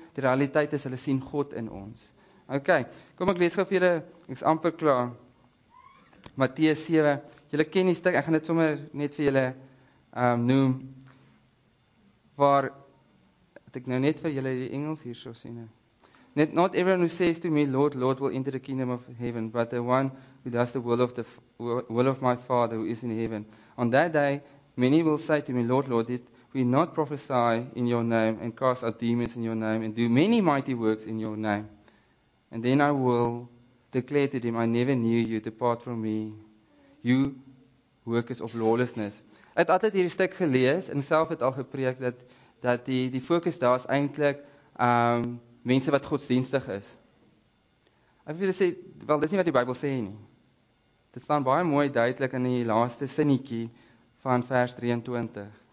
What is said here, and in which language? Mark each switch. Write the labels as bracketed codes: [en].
[af] Die realiteit is hulle sien God in ons. OK. Kom ek lees gou vir julle, ek's amper klaar. Matteus 7. Julle ken die stuk, ek gaan dit sommer net vir julle noem. waar het ek nou net vir julle die Engels hier so sien. [en] Net, not everyone who says to me, Lord, Lord, will enter the kingdom of heaven, but the one who does the will of my Father who is in heaven. On that day, many will say to me, Lord, Lord, did we not prophesy in your name and cast out demons in your name and do many mighty works in your name? And then I will declare to them, I never knew you, depart from me, you workers of lawlessness. [af] Ek het altyd hierdie stuk gelees en self het al gepreek dat die fokus daar is eintlik mense wat godsdienstig is. Ek wil sê, wel, dis nie wat die Bybel sê nie. Dit staan baie mooi duidelik in die laaste sinnetjie van vers 23.